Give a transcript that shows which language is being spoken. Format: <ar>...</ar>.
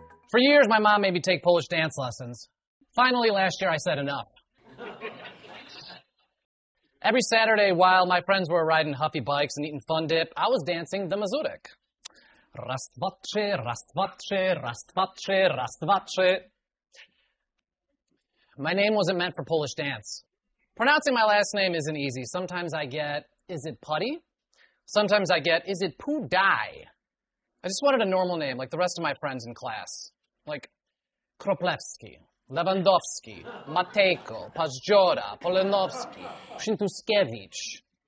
<en>For years, my mom made me take Polish dance lessons. Finally, last year, I said enough. Every Saturday, while my friends were riding huffy bikes and eating fun dip, I was dancing the mazurek.</en> <pl>Raz, dwa, trzy, raz, dwa, trzy, raz, dwa, trzy, raz, dwa, trzy.</pl> <en>My name wasn't meant for Polish dance. Pronouncing my last name isn't easy. Sometimes I get, is it Putty? Sometimes I get, is it Pudi? I just wanted a normal name, like the rest of my friends in class. Like Kroplewski, Lewandowski, Matejko, Pazdziora, Polenowski, Przintuskiewicz.</en>